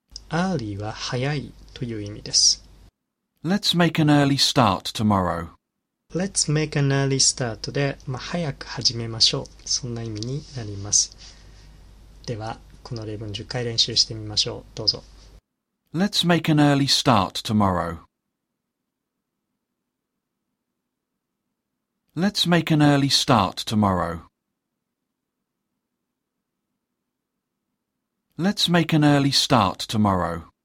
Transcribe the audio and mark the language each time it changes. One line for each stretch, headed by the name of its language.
Japanese: Early は早いという意味です。
English: Let's make an early start tomorrow. Let's make an early start
Japanese: で、まあ、早く始めましょう。そんな意味になります。では、この例文10回練習してみましょう。どうぞ。
English: Let's make an early start tomorrow. Let's make an early start tomorrow. Let's make an early start tomorrow.